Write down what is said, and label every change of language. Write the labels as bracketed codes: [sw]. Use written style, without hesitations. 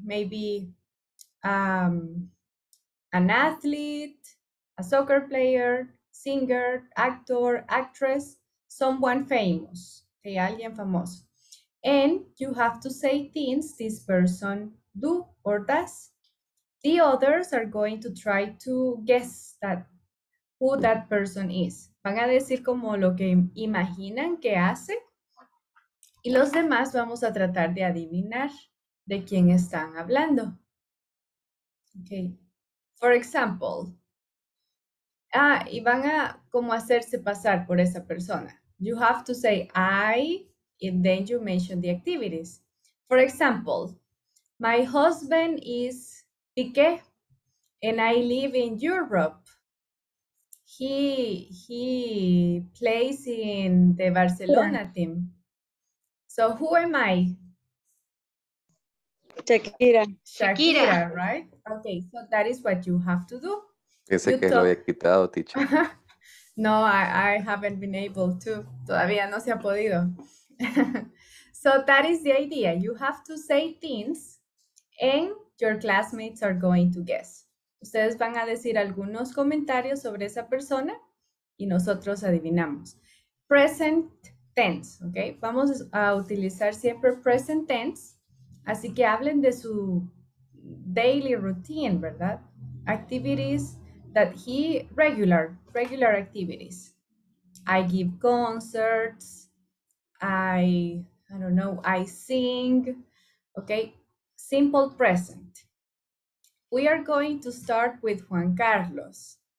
[en] Maybe an athlete, a soccer player, singer, actor, actress, someone famous, [es] de alguien famoso. [en] And you have to say things this person do or does. The others are going to try to guess that who that person is. [es] Van a decir como lo que imaginan que hace. Y los demás vamos a tratar de adivinar de quién están hablando. Okay. [en] For example, [es] y van a como hacerse pasar por esa persona. [en] You have to say I, and then you mention the activities. For example, my husband is Piqué, and I live in Europe. He plays in the Barcelona team. So who am I? Shakira. Shakira. Shakira, right? Okay, so that is what you have to do. [es] Ese que lo había quitado, teacher. [en] No, I haven't been able to. [es] Todavía no se ha podido. [en] So that is the idea. You have to say things and your classmates are going to guess. [es] Ustedes van a decir algunos comentarios sobre esa persona y nosotros adivinamos. Present tense, ¿ok? Vamos a utilizar siempre present tense. Así que hablen de su [en] daily routine, [es] ¿verdad? [en] Activities that he, regular activities. I give concerts, I don't know, I sing, okay? Simple present. We are going to start with Juan Carlos.